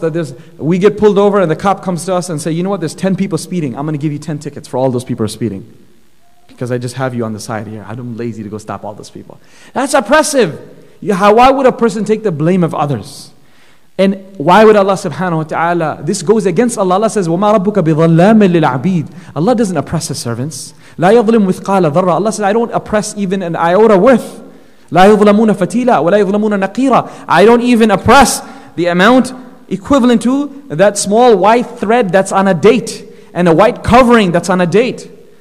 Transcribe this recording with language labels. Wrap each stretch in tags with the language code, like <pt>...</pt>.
<en>That we get pulled over and the cop comes to us and say, you know what, there's 10 people speeding. I'm going to give you 10 tickets for all those people who are speeding. Because I just have you on the side here. I'm lazy to go stop all those people. That's oppressive. Why would a person take the blame of others? And why would Allah subhanahu wa ta'ala, this goes against Allah. Allah says,</en> <ar>وَمَا رَبُّكَ بِظَلَّامٍ لِلْعَبِيدٍ.</ar> <en>Allah doesn't oppress His servants.</en> <ar>لَا يَظْلِمْ مِثْقَالَ ذَرَّةٍ.</ar> <en>Allah says, I don't oppress even an iota worth.</en> <ar>لَا يَظْلَمُونَ فَتِيلًا وَلَا يَظْلَمُونَ نَقِيرًا.</ar> <en>I don't even oppress the amount equivalent to that small white thread that's on a date and a white covering that's on a date.</en>